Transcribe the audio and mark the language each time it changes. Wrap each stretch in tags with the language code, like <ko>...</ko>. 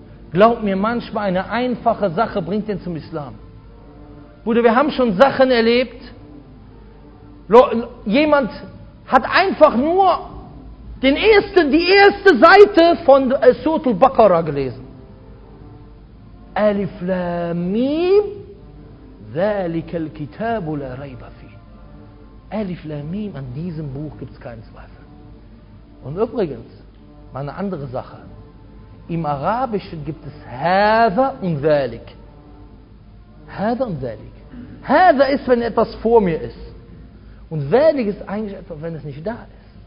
<de>Glaubt mir, manchmal eine einfache Sache bringt ihn zum Islam. Bruder, wir haben schon Sachen erlebt. Jemand hat einfach nur die erste Seite von Surat al-Baqarah gelesen.</de> <ar>Alif Lam Mim, ذَلِكَ الْكِتَابُ لَا رَيْبَ فِيهِ.</ar> <de>Alif Lam Mim, an diesem Buch gibt es keinen Zweifel. Und übrigens, meine andere Sache. Im Arabischen gibt es هَذَا und ذَلِك.</de> <ar>هَذَا und ذَلِك.</ar> <de>هَذَا ist, wenn etwas vor mir ist. Und ذَلِك ist eigentlich etwas, wenn es nicht da ist.</de>